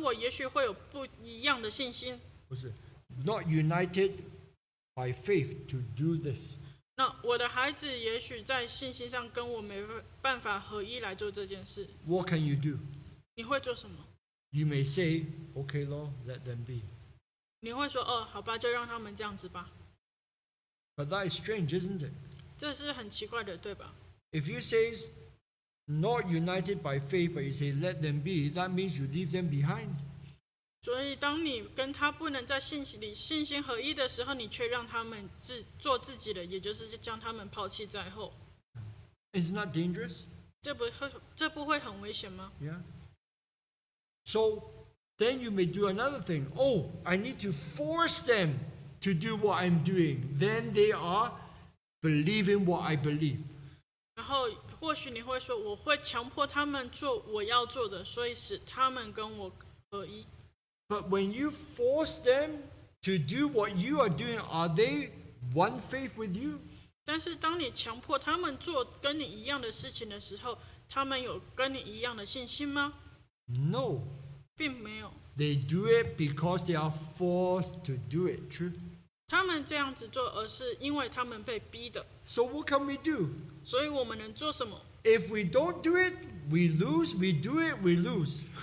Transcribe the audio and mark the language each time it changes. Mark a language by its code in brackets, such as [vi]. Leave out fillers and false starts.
[zh] 但是我的孩子跟我也许会有不一样的信心。不是, [en] not united by faith to do this. [zh] 那我的孩子也许在信心上跟我没办法合一来做这件事。 [en] What can you do? [zh] 你会做什么? [en] You may say, okay, Lord, let them be. [zh] 你会说, 哦, 好吧, 就让他们这样子吧。 [en] But that is strange, isn't it? [zh] 这是很奇怪的, 对吧? [en] If you say, not united by faith, but you say, let them be, that means you leave them behind. [zh] 所以当你跟他不能在信心合一的时候, 你却让他们做自己的, 也就是将他们抛弃在后。 [en] Isn't that dangerous? [zh] 这不会很危险吗? [en] Yeah. So, then you may do another thing. Oh, I need to force them to do what I'm doing. Then they are believing what I believe. [zh] 然后或许你会说, 我会强迫他们做我要做的, 所以使他们跟我合一。 [en] But when you force them to do what you are doing, are they one faith with you? [zh] 但是当你强迫他们做跟你一样的事情的时候, 他们有跟你一样的信心吗? [en] No. [zh] 并没有。 [en] They do it because they are forced to do it, true? [zh] 他们这样子做而是因为他们被逼的。 [en] So what can we do? [zh] 所以我们能做什么? [en] If we don't do it, we lose, we do it, we lose.